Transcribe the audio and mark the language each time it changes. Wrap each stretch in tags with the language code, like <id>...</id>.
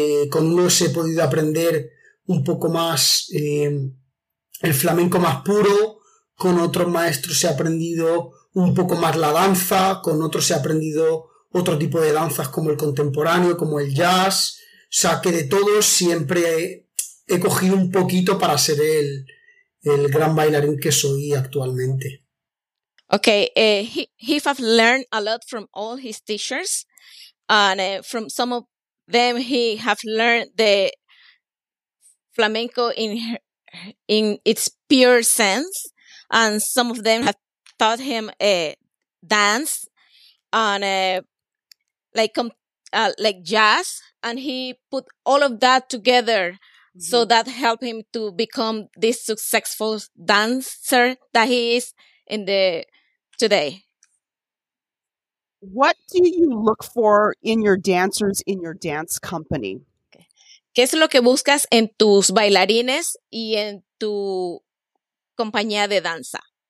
<es>Con unos he podido aprender un poco más el flamenco más puro, con otros maestros he aprendido un poco más la danza, con otros he aprendido otro tipo de danzas como el contemporáneo, como el jazz. O sea, que de todos siempre he cogido un poquito para ser el gran bailarín que soy actualmente.</es> <en>Okay, he have learned a lot from all his teachers, and from some of them he have learned the flamenco in its pure sense, and some of them have taught him a dance and like jazz, and he put all of that together. Mm-hmm. So that helped him to become this successful dancer that he is today. What do you look for in your dancers in your dance company?</en> <es>¿Qué es lo que buscas en tus bailarines y en tu compañía de danza?</es>